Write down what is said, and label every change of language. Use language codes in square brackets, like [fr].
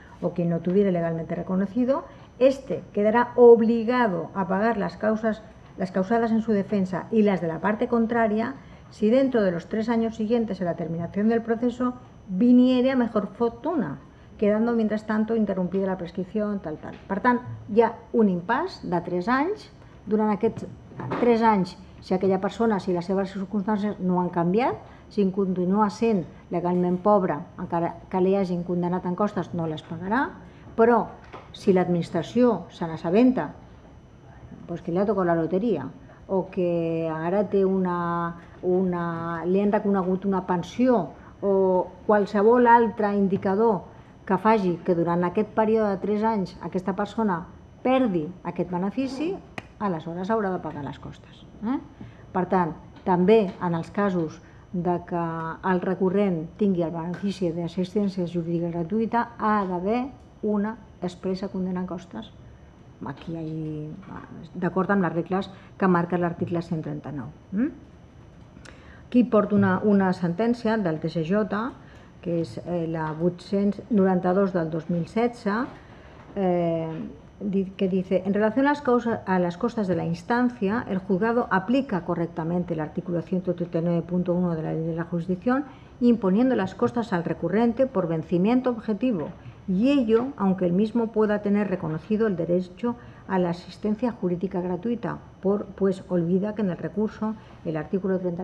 [es] o quien no tuviera legalmente reconocido, este quedará obligado a pagar las causadas en su defensa y las de la parte contraria si dentro de los 3 años siguientes a la terminación del proceso viniere a mejor fortuna, quedando mientras tanto interrumpida la prescripción, tal, tal. [ca] Per tant, hi ha un impàs de 3 anys. Durant aquests 3 anys, si aquella persona, si les seves circumstàncies no han canviat, si continua sent legalment pobra, encara que li hagin condemnat en costes, no les pagarà, però si l'administració se n'assabenta, doncs que li ha tocat la loteria, o que ara té li han reconegut una pensió, o qualsevol altre indicador que faci que durant aquest període de 3 anys aquesta persona perdi aquest benefici, aleshores haurà de pagar les costes. Per tant, també en els casos de que el recurrent tingui el benefici d'assistència jurídica gratuïta, ha d'haver una expressa condemna en costes, aquí hi hagi, d'acord amb les regles que marca l'article 139. Aquí porto una sentència del TCJ, que és la 892 del 2016, [es] que dice, en relación a las costas de la instancia, el juzgado aplica correctamente el artículo 139.1 de la Ley de la Jurisdicción, imponiendo las costas al recurrente por vencimiento objetivo, y ello aunque el mismo pueda tener reconocido el derecho a la asistencia jurídica gratuita, pues olvida que en el recurso el artículo